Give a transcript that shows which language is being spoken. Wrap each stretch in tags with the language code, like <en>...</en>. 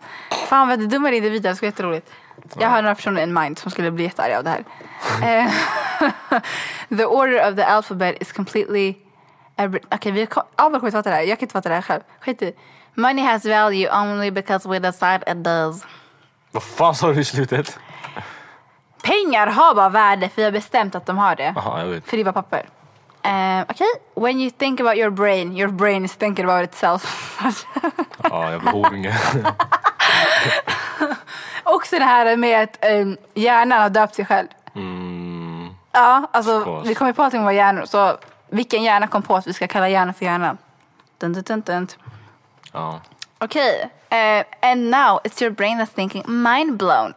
<sv>Fan vad du dummar in det vidare, det ska vara jätteroligt. Jag har några personer</sv> <en>in mind</en> <sv>som skulle bli jättearga av det här.</sv> <en>The order of the alphabet is completely...</en> <sv>jag kan inte fatta det här själv. Skit i.</sv> <en>Money has value only because we decide it does.</en> <sv>Vad fan sa du i slutet? Pengar har bara värde för jag har bestämt att de har det. Aha, jag vet. För det var papper. Okej, okay.</sv> <en>When you think about your brain is thinking about itself.</en> <sv>Ja, jag behöver inget. Också det här med att hjärnan har döpt sig själv. Mm. Ja, alltså vi kom ju på allting var hjärnor. Så vilken hjärna kom på att vi ska kalla hjärna för hjärna? Dun, dun, dun, dun. Ja. Okej. Okay.</sv> <en>And now it's your brain that's thinking mind blown.</en>